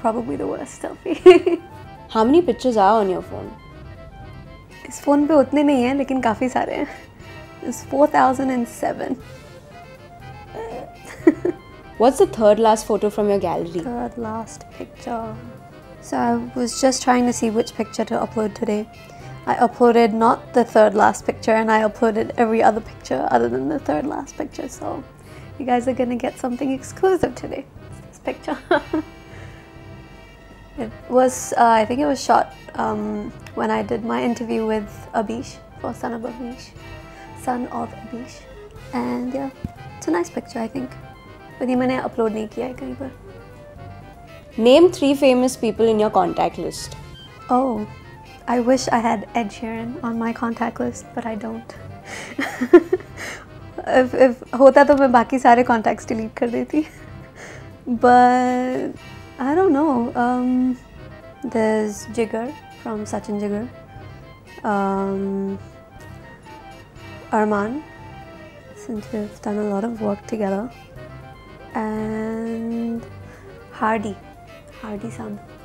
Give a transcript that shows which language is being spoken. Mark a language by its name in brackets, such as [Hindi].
[English] Probably the worst selfie. How many pictures are on your phone? [Hindi] इस phone पे उतने नहीं है, लेकिन काफ़ी सारे है. [English] It's 4,007. What's the third last photo from your gallery? Third last picture. So I was just trying to see which picture to upload today. I uploaded not the third last picture, and I uploaded every other picture other than the third last picture. So you guys are gonna get something exclusive today. It's this picture. It was, I think it was shot when I did my interview with Abish, for Son of Abish. Son of Abish. And yeah, it's a nice picture, I think. But I didn't upload it yet. Name three famous people in your contact list. Oh. I wish I had Ed Sheeran on my contact list, but I don't. [Hindi] if होता तो मैं बाकी सारे contacts delete कर देती. [English] But I don't know. There's Jigar from Sachin Jigar. Arman, since we've done a lot of work together. And Hardy. Hardy-san.